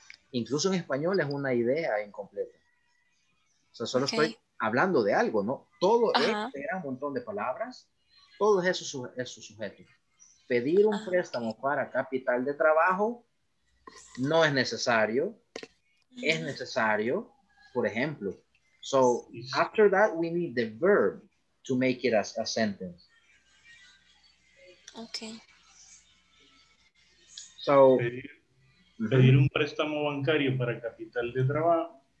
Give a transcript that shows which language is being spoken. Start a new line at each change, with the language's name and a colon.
Spanish: Incluso en español es una idea incompleta. O sea, solo estoy hablando de algo, ¿no? Todo este era un montón de palabras. Todo eso es su sujeto. Pedir un préstamo para capital de trabajo no es necesario. Es necesario, por ejemplo.
English: So, after that, we need the verb to make it as a sentence. Okay. So,
Spanish: pedir un préstamo bancario para capital de trabajo.